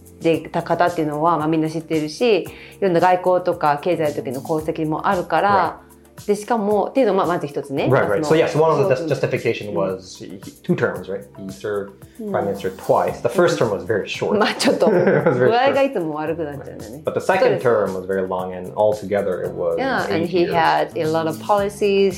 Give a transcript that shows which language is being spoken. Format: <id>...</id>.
<ja>てた方っていうのは、まあ、みんな知ってるし、いろんな外交とか経済の時の功績もあるから、</ja> <en>right.</en> <ja>でしかもっていうのはまず一つね。</ja> <en>Right, right. So yes, one of the justification was two terms, right? He served prime minister twice. The first term was very short.</en> <ja>まあちょっと具合がいつも悪くなっちゃうんだね。</ja> <en>But the second term was very long, and altogether it was eight years. Yeah, and he had a lot of policies.</en>